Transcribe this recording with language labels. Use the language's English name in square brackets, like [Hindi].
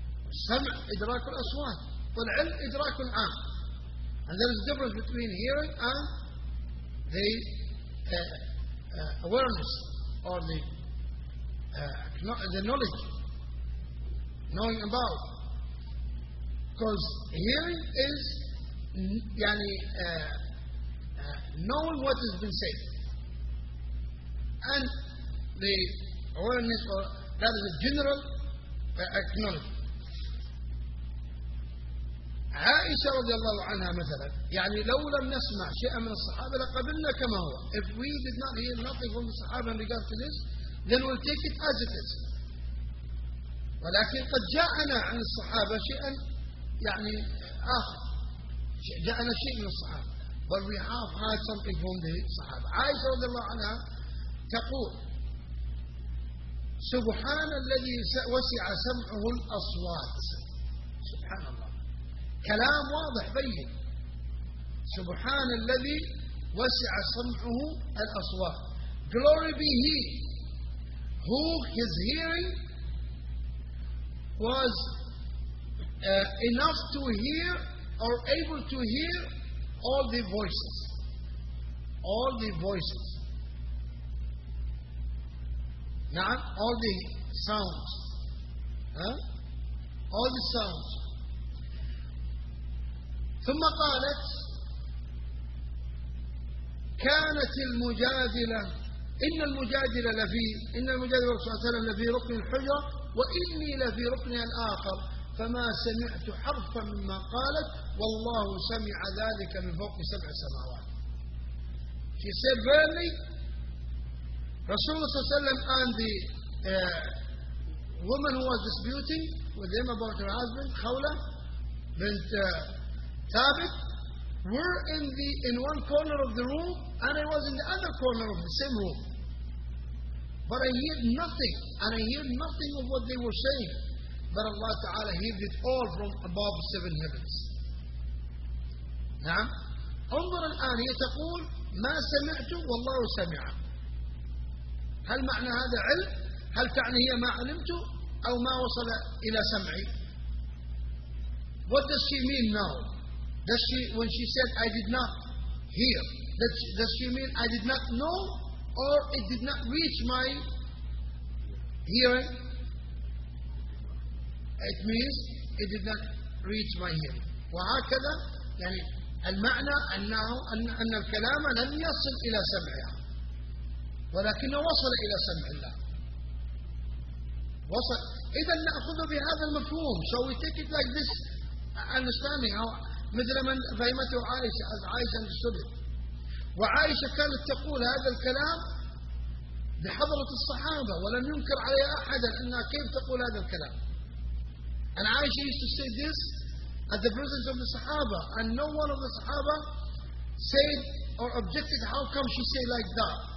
[Arabic] السمع إدراك الأصوات والعلم إدراك آخر. [English] And there is a difference between hearing and the awareness or the knowledge, knowing about. Because hearing is knowing what has been said. And the awareness, or that is a general acknowledgement. [Arabic] عائشة رضي الله عنها مثلا يعني لو لم نسمع شيئا من الصحابة لقبلنا كما هو. [English] If we did not hear nothing from the صحابة in regard to this, then we'll take it as it is. [Arabic] ولكن قد جاءنا عن الصحابة شيئا يعني آخر, جاءنا شيء من الصحابة, [English] but we have had something from the [Arabic] صحابة. عائشة رضي الله عنها تقول سبحان الذي وسع سمعه الأصوات. سبحان الله, كلام واضح بين. سبحان الذي وسع سمعه الأصوات. [English] Glory be he who his hearing was enough to hear or able to hear all the voices. All the voices. Not all the sounds. Huh? All the sounds. [Arabic] ثم قالت كانت المجادلة إن المجادلة لفي إن المجادلة صلى الله عليه وسلم لفي ركن الحجرة وإني لفي ركن الآخر فما سمعت حرفا مما قالت والله سمع ذلك من فوق سبع سماوات. [English] She said verily رسول الله صلى الله عليه وسلم and the woman who was disputing with him about her husband خولة بنت Thabit, were in one corner of the room and I was in the other corner of the same room. But I heard nothing, and I heard nothing of what they were saying. But Allah Ta'ala heard it all from above seven heavens. [Arabic] نعم. انظر الآن هي تقول ما سمعت والله سمع. هل معنى هذا علم؟ هل تعني هي ما علمت أو ما وصل إلى سمعي؟ [English] What does she mean now? Does she, when she said, I did not hear, does she mean I did not know or it did not reach my hearing? It means it did not reach my hearing. [Arabic] وهكذا يعني المعنى أنه أن الكلام لم يصل إلى سمعها ولكنه وصل إلى سمع الله. وصل. إذا نأخذه بهذا المفهوم. [English] So we take it like this understanding. [Arabic] مثل من فهمته عائشة أز عائشة الصدق. وعائشة كانت تقول هذا الكلام بحضرة الصحابة ولم ينكر عليها أحدا أنها كيف تقول هذا الكلام. [English] And عائشة used to say this at the presence of the صحابة, and no one of the صحابة said or objected how come she say like that.